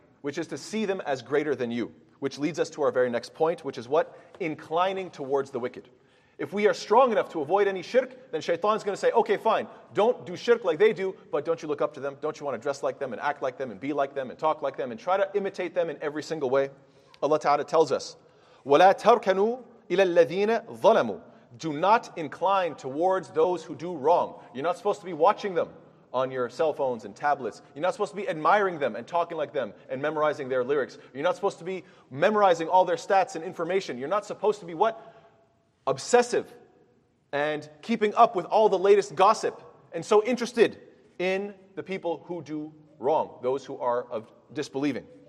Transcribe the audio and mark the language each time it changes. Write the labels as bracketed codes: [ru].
[en] Which is to see them as greater than you. Which leads us to our very next point, which is what? Inclining towards the wicked. If we are strong enough to avoid any shirk, then shaitan's going to say, okay, fine, don't do shirk like they do, but don't you look up to them? Don't you want to dress like them and act like them and be like them and talk like them and try to imitate them in every single way? Allah Ta'ala tells us, [ar] وَلَا تَرْكَنُوا إِلَى الَّذِينَ ظَلَمُوا. [en] Do not incline towards those who do wrong. You're not supposed to be watching them on your cell phones and tablets. You're not supposed to be admiring them and talking like them and memorizing their lyrics. You're not supposed to be memorizing all their stats and information. You're not supposed to be what? Obsessive and keeping up with all the latest gossip and so interested in the people who do wrong, those who are of disbelieving.